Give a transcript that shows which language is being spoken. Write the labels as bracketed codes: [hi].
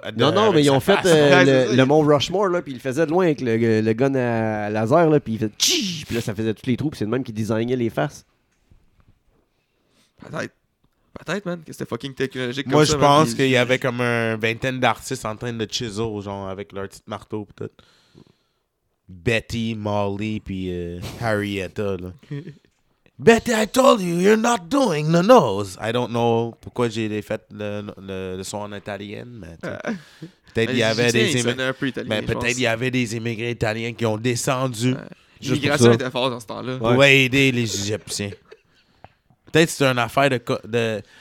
[fr] Non, non, mais ils ont fait le mont Rushmore, puis ils le faisaient de loin avec le gun à laser, puis ils faisaient tchi, puis là, ça faisait tous les trous, puis c'est le même qui designait les faces. Peut-être, man, que c'était fucking technologique. Moi, ça, je pense mais... qu'il y avait comme une vingtaine d'artistes en train de chisel, genre, avec leur petit marteau, peut-être. Betty, Molly, puis Harrietta, là. [en] Betty, I told you, you're not doing the nose. I don't know [fr] pourquoi j'ai fait le son en italienne, mais peut-être il y avait des mais peut-être il y avait des immigrés italiens qui ont descendu. L'immigration était forte dans ce temps-là. Pour ouais. aider les Égyptiens. Peut-être que c'était une affaire de...